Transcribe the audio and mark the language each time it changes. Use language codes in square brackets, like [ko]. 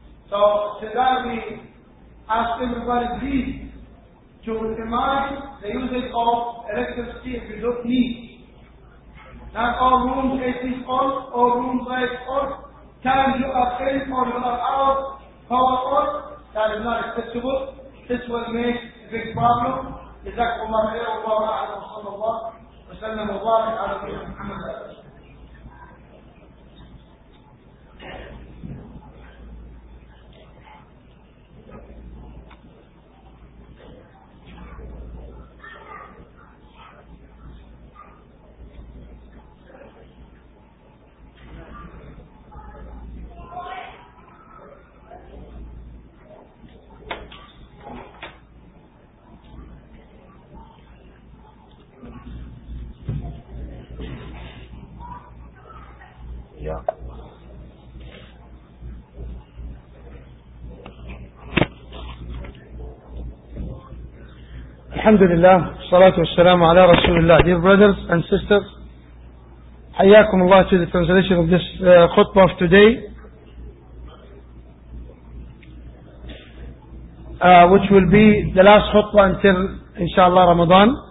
[en] So today we ask everybody please to minimize the usage of electricity if you don't need. Not all rooms AC is on, all rooms lights on, time you are in or you are out, power on, that is not acceptable. This will make big problem. [ar] جزاكم الله خيرا وصلى الله وسلم وبارك على نبينا محمد صلى الله عليه الحمد لله والصلاة والسلام على رسول الله. [en] Dear brothers and sisters, [ar] حياكم الله [en] to the translation of this khutbah of today, which will be the last khutbah until inshallah Ramadan.